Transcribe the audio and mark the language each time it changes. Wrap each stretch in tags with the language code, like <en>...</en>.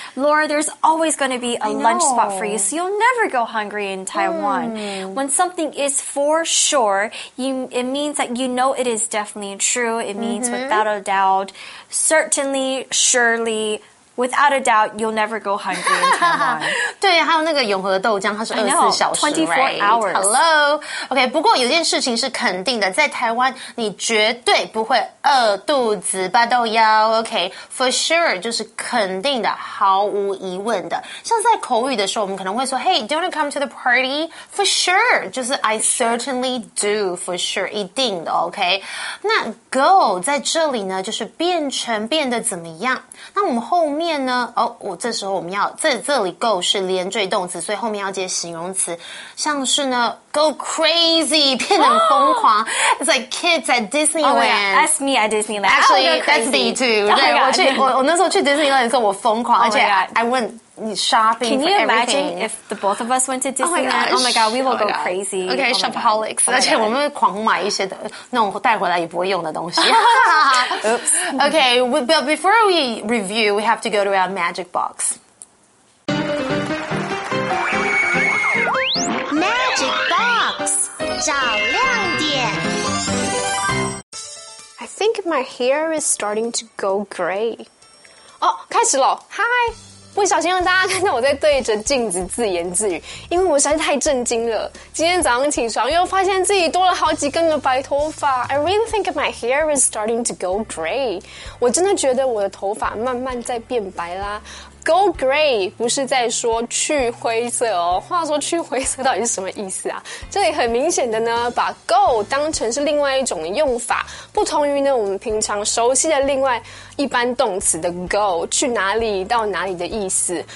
<en>Laura, there's always going to be a lunch spot for you, so you'll never go hungry in Taiwan. When something is for sure, it means that you know it is definitely true. It means without a doubt, certainly, surely,Without a doubt, you'll never go hungry in Taiwan.</en> <zh>对，还有那个永和豆浆，它是24小时</zh> <en>24 hours. Hello.</en> <zh>Okay, 不过有件事情是肯定的，在台湾你绝对不会饿肚子、拔豆腰。 Okay, for sure, 就是肯定的，毫无疑问的。像在口语的时候，我们可能会说</zh> <en>Hey, do you want to come to the party?</en> <zh>For sure, 就是</zh> <en>I certainly do,</en> <zh>for sure, 一定的 Okay, 那 go 在这里呢，就是变成变得怎么样？那我们后面呢？哦，这时候我们要在这里 go 是连缀动词，所以后面要接形容词，像是呢 go crazy 变得疯狂、</zh> <en>It's like kids at Disneyland. Oh, that's me at Disneyland. Actually, that's me too. Right?</en> <zh>我那时候去 Disneyland 的时候，我疯狂，而且</zh> <en>I went shopping. Can you imagine if the both of us went to Disneyland? Oh my god, we will go crazy. Okay, shopaholics.</en> <zh>而且我们会狂买一些的那种带回来也不会用的东西。</zh> <en>Oops. Okay, but before we review, we have to go to our magic box.</en> <zh>Magic box, 找亮点。</zh> <en>I think my hair is starting to go gray.</en> <zh>哦，开始了。Hi. 不小心让大家看到我在对着镜子自言自语，因为我实在太震惊了。今天早上起床又发现自己多了好几根的白头发。</zh> <en>I really think my hair is starting to go gray.</en> <zh>我真的觉得我的头发慢慢在变白啦。Go gray 不是在说去灰色哦。话说去灰色到底是什么意思啊？这里很明显的呢，把 go 当成是另外一种用法，不同于呢我们平常熟悉的另外一般动词的 go 去哪里到哪里的意思。</zh>